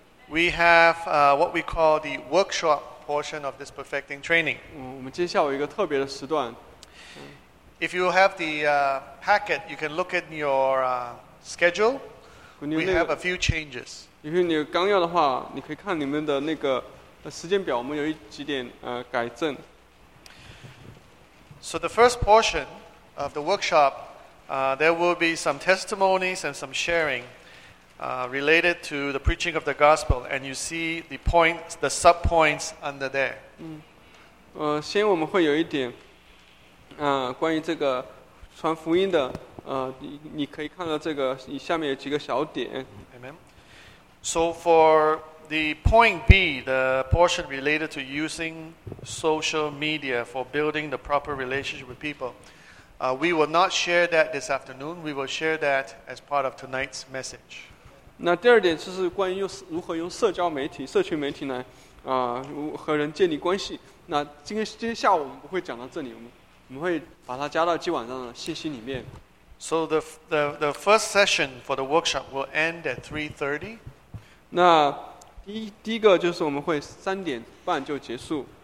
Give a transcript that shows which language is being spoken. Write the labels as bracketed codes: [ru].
[en] We have what we call the workshop portion of this perfecting training. [zh] 我们今天下午有一个特别的时段。 [en] If you have the packet, you can look at your schedule. We have a few changes. [zh] 如果你有纲要的话，你可以看你们的那个时间表，我们有几点改正。 [en] So the first portion of the workshop, there will be some testimonies and some sharing related to the preaching of the gospel, and you see the points, the sub-points under there. [zh] 先我们会有一点关于这个传福音的你可以看到这个你下面有几个小点。 [en] Amen. So for the point B, the portion related to using social media for building the proper relationship with people, we will not share that this afternoon. We will share that as part of tonight's message. [zh] 那第二点就是关于如何用社交媒体、社群媒体来和人建立关系。那今天下午我们不会讲到这里，我们会把它加到今晚上的信息里面。 [en] So the first session for the workshop will end at 3:30. [zh] 那第一个就是我们会三点半就结束。